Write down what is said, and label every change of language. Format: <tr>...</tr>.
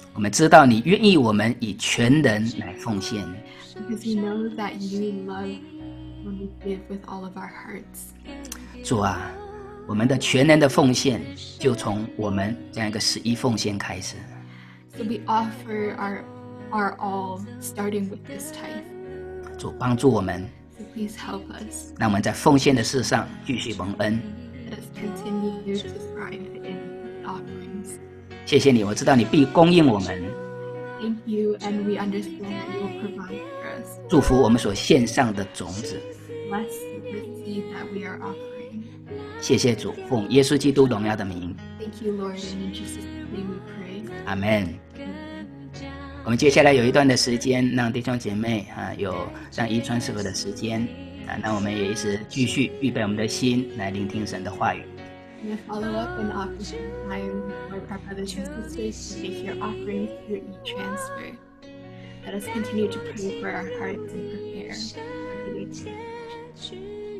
<zh>我们知道你愿意我们以全人来奉献，</zh> <en>because you know that you love when we give with all of our hearts.</en> <zh>主啊，我们的全人的奉献就从我们这样一个十一奉献开始。</zh> <en>So we offer our all starting with this tithe.</en> <zh>主，帮助我们。</zh> <en>So please help us.</en> <zh>让我们在奉献的事上继续蒙恩。</zh> <en>Let us continue to thrive in offerings.</en> <zh>谢谢你，我知道你必供应我们。</zh> <en>Thank you, and we understand that you will provide for us.</en> <zh>祝福我们所献上的种子。</zh> <en>Bless the seed that we are offering.</en> <zh>谢谢主，奉耶稣基督荣耀的名。</zh> <en>Thank you, Lord, and in Jesus' name we pray. Amen.</en> <zh>我们接下来有一段的时间，让弟兄姐妹、啊、有上一传师傅的时间、啊、那我们也一直继续预备我们的心来聆听神的话语。</zh> <en>And a follow up and offering time for our brothers and sisters to make your offerings through e-transfer. Let us continue to pray for our hearts and prepare for the day.</en>